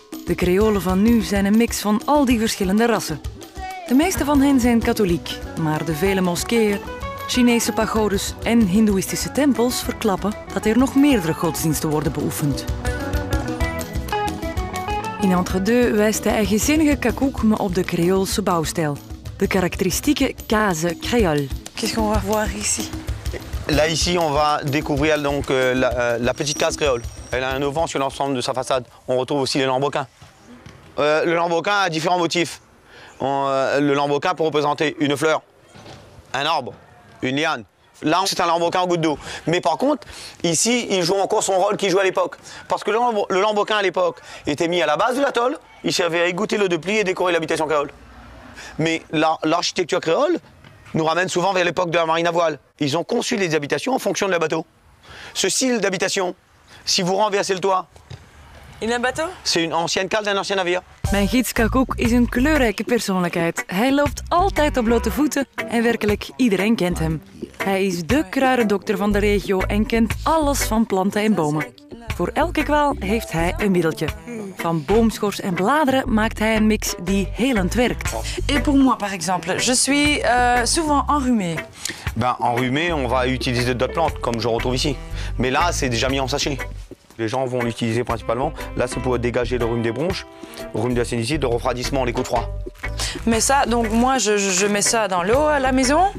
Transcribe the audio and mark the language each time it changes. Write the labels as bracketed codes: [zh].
[nl] De Creolen van nu zijn een mix van al die verschillende rassen. De meeste van hen zijn katholiek, maar de vele moskeeën, Chinese pagodes en Hindoeïstische tempels verklappen dat er nog meerdere godsdiensten worden beoefend. In Entre-deux wijst de eigenzinnige kakoek me op de Creoolse bouwstijl. De karakteristieke case créole. [fr] Qu'est-ce qu'on va voir ici? Là ici, on va découvrir donc la petite case créole. Elle a un auvent sur l'ensemble de sa façade. On retrouve aussi le lambrequin. Le lambrequin a différents motifs. Le lambrequin peut représenter une fleur, un arbre, une liane. Là, c'est un lambrequin en goutte d'eau. Mais par contre, ici, il joue encore son rôle qu'il jouait à l'époque. Parce que le lambrequin à l'époque était mis à la base de l'atoll. Il servait à égoutter l'eau de pluie et décorer l'habitation créole. Mais l'architecture créole nous ramène souvent vers l'époque de la marine à voile. Ils ont conçu les habitations en fonction de leur bateau. Ce style d'habitation, si vous renversez le toit... Il y a un bateau ? C'est une ancienne cale d'un ancien navire. [nl] Mijn gids Kakouk is een kleurrijke persoonlijkheid. Hij loopt altijd op blote voeten en werkelijk iedereen kent hem. Hij is de kruidendokter van de regio en kent alles van planten en bomen. Voor elke kwaal heeft hij een middeltje. Van boomschors en bladeren maakt hij een mix die helend werkt. [fr] Et pour moi par exemple, je suis souvent enrhumé. Ben enrhumé, on va utiliser d'autres plantes comme je retrouve ici. Mais là, c'est déjà mis en sachet. Les gens vont l'utiliser principalement. Là, c'est pour dégager le rhume des bronches, le rhume de la sinusite, de refroidissement, les coups de froid. Mais ça, donc moi, je mets ça dans l'eau à la maison.